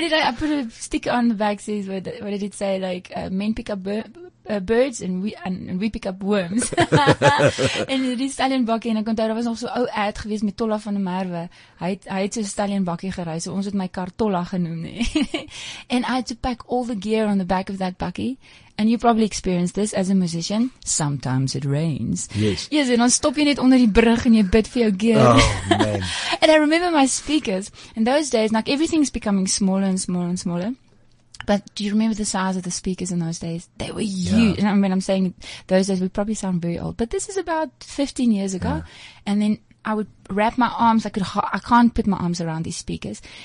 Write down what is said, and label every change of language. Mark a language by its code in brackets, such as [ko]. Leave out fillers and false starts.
[en] What did I put a sticker on the back? Says, what did it say? Like, men pick up birds and we pick up worms. [af] En die stallion bakkie, en ek onthou, daar was nog so ou ad gewees met Tolla van der Merwe. Hy het so stallion bakkie gery, so ons het my kar Tolla genoem. [en] And I had to pack all the gear on the back of that bucky. And you probably experienced this as a musician. Sometimes it rains. Yes. Yes, [af] en dan stop jy net onder die brug en jy bid vir jou gear. [en] Oh, man. And I remember my speakers. In those days, like everything's becoming smaller and smaller and smaller. But do you remember the size of the speakers in those days? They were huge. Yeah. And I mean, I'm saying those days would probably sound very old. But this is about 15 years ago. Yeah. And then I would wrap my arms. I can't put my arms around these speakers.